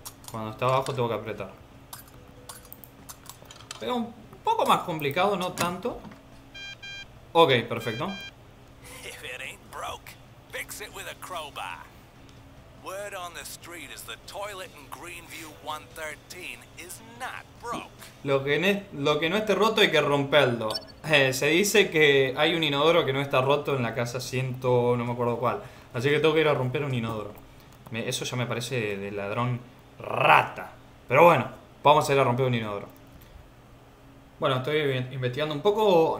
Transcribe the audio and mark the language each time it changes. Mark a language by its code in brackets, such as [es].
[es] Cuando está abajo tengo que apretar. Pero un poco más complicado, no tanto. Ok, perfecto. [en] If it ain't broke, fix it with a crowbar. Word on the street is the toilet in Greenview 113 is not broke. [es] Lo que no esté roto hay que romperlo. Se dice que hay un inodoro que no está roto en la casa 100, no me acuerdo cuál. Así que tengo que ir a romper un inodoro. Eso ya me parece de ladrón rata. Pero bueno, vamos a ir a romper un inodoro. Bueno, estoy investigando un poco.